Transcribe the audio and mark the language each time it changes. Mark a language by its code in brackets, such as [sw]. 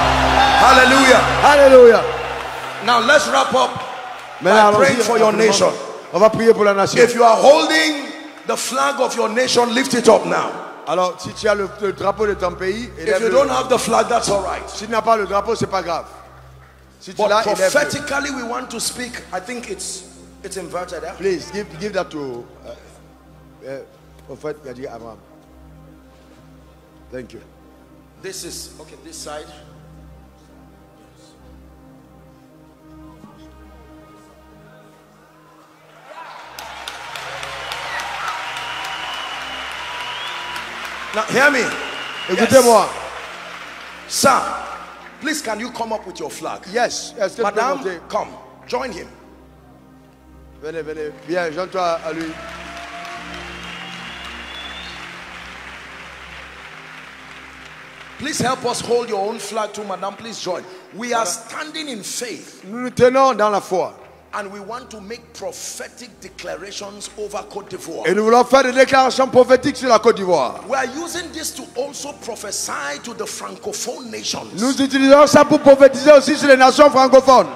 [en] Hallelujah. Now let's wrap up by praying for your nation. [fr] On va prier pour la nation. [en] If you are holding the flag of your nation, lift it up now. [fr] Alors, si tu as le drapeau de ton pays, [en] if you don't have the flag, that's all right. [fr] Si tu n'as pas le drapeau, c'est pas grave. Si tu l'as, [en] prophetically, we want to speak. I think it's inverted. Yeah? Please give that to Prophet Yadi Abraham. Thank you. This is okay. This side. Now, hear me. [fr] Écoutez-moi. [en] Yes. Sir, please, can you come up with your flag? Yes. Madame, come. Join him. [fr] Venez, venez. Viens, joins-toi à lui. [en] Please help us hold your own flag too, madame. Please join. We are standing in faith. [fr] Nous nous tenons dans la foi. [en] And we want to make prophetic declarations over Côte d'Ivoire. [fr] Et nous voulons faire des déclarations prophétiques sur la Côte d'Ivoire. [en] We are using this to also prophesy to the francophone nations. [fr] Nous utilisons ça pour prophétiser aussi sur les nations francophones.